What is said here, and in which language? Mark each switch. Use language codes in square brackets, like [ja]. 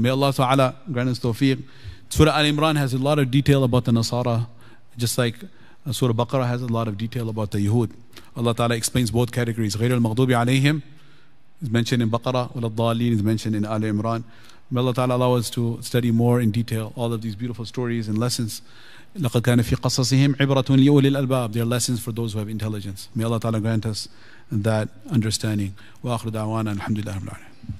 [en] May Allah Ta'ala grant us tawfiq. Surah Al-Imran has a lot of detail about the Nasara, just like Surah Baqarah has a lot of detail about the Yahud. Allah Ta'ala explains both categories. [ar] غير المغضوب عليهم [en] is mentioned in Baqarah, [ar] ولا الضالين [en] is mentioned in Ali Imran. May Allah Ta'ala allow us to study more in detail all of these beautiful stories and lessons. [ar] لقد كان في قصصهم عبرة لأولي الألباب. [en] They are lessons for those who have intelligence. May Allah Ta'ala grant us that understanding. [ar] وآخر دعوانا الحمد لله رب العالمين.